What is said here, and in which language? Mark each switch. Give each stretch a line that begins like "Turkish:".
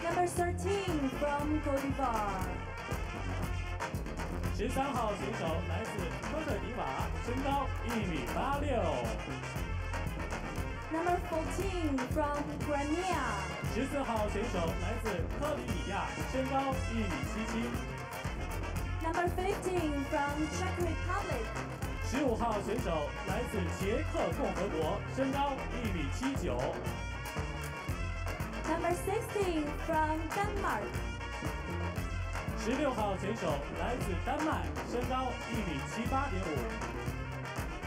English: Number 13 from Cote d'Ivoire.
Chinese: 十三号选手来自科特迪瓦，身高1.86米。
English: Number 14 from Crimea.
Chinese: 十四号选手来自克里米亚，身高1.77米。
English: Number 15 from Czech Republic.
Chinese: 十五号选手来自捷克共和国，身高1.79米。
English: Number 16 from Denmark.
Chinese: 十六号选手来自丹麦，身高1.78.5米。